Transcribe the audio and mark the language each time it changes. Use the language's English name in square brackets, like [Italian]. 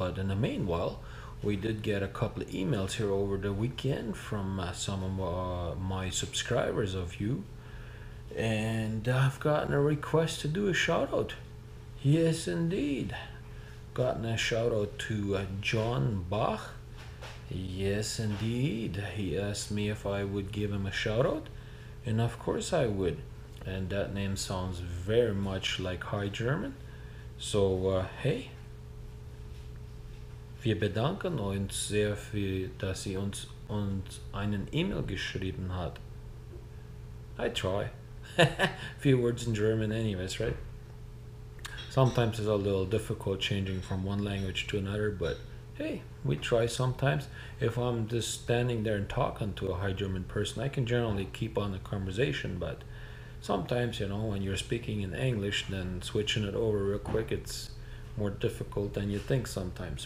[English] But in the meanwhile, we did get a couple of emails here over the weekend from some of my subscribers of you, and I've gotten a request to do a shout out. Yes indeed, gotten a shout out to John Bach. Yes indeed, he asked me if I would give him a shout out, and of course I would. And that name sounds very much like High German, so hey, [German] wir bedanken uns sehr viel, dass sie uns einen E-Mail geschrieben hat. [English] I try. A few words in German anyways, right? Sometimes it's a little difficult changing from one language to another, but hey, we try sometimes. If I'm just standing there and talking to a High German person, I can generally keep on the conversation, but sometimes, you know, when you're speaking in English, then switching it over real quick, it's more difficult than you think sometimes.